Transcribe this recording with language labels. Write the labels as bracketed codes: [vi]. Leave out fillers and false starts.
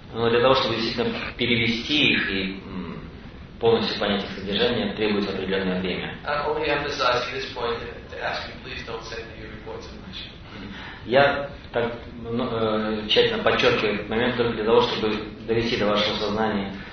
[ru] Но для того, чтобы действительно перевести их и полностью понять их содержание, требуется определенное время. [en] I'm only emphasizing this point to ask you, please don't send me your reports in Russian. [ru] Я так тщательно подчеркиваю этот момент только для того, чтобы довести до вашего сознания.